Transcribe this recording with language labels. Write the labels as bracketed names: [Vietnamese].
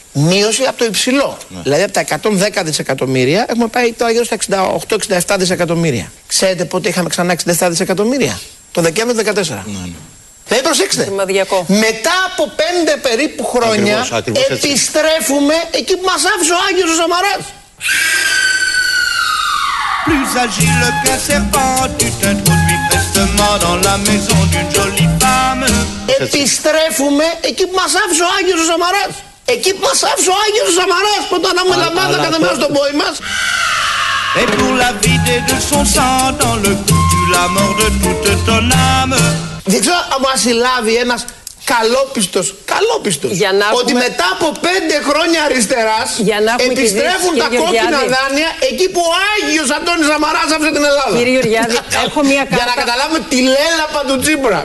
[Greek] Μείωση από το υψηλό. Mm. Δηλαδή από τα 110 δισεκατομμύρια έχουμε πάει τώρα γύρω στα 68-67 δισεκατομμύρια. Ξέρετε πότε είχαμε ξανά 67 δισεκατομμύρια? Το Δεκέμβριο 2014. Δηλαδή προσέξτε, σημαδιακό. Μετά από 5 περίπου χρόνια ακριβώς επιστρέφουμε έτσι. Εκεί που μας άφησε ο Άγιος ο Σαμαράς. [French] Plus agile qu'un serpent, tu t'introduis prestement dans la maison d'une jolie femme. [Greek] Επιστρέφουμε εκεί που μας άφησε ο Άγιος ο Σαμαράς. Εκεί που μας άφησε ο Άγιος ο Σαμαράς, που τον αναμελαμβάνω κάθε μέρα στον πόη μας. [French] Et pour la vider de son sang, dans le coup tu la mords de toute ton âme. [Greek] Δεν ξέρω αν μας συλλάβει ένας καλόπιστος, καλόπιστος, για να ότι έχουμε... μετά από 5 χρόνια αριστεράς για να επιστρέφουν δεις, τα κόκκινα δάνεια εκεί που ο Άγιος Αντώνης Σαμαράς άφησε την Ελλάδα. Κύριε Γεωργιάδη, έχω μια κάρτα. Για να καταλάβουμε τη λέλαπα του Τσίπρα.